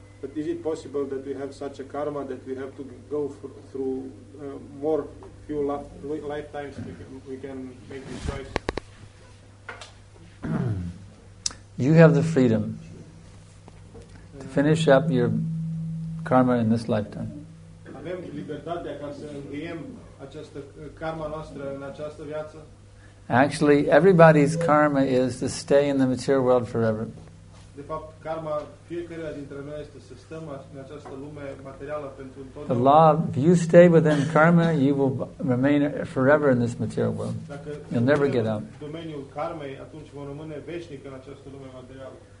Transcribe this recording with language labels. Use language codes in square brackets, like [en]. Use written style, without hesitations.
[en] But is it possible that we have such a karma that we have to go through more few lifetimes we can make this choice? You have the freedom to finish up your karma in this lifetime. [ro] Avem libertatea ca să încheiem această karma noastră în această viață. [en] Actually, everybody's karma is to stay in the material world forever. [ro] De fapt, karma fiecăruia dintre noi este să stăm în această lume materială pentru întotdeauna. [en] The law, if you stay within karma, you will remain forever in this material world. [ro] Dacă [en] you'll never get out. [ro] Domeniul karmei, atunci vom rămâne veșnic în această lume materială.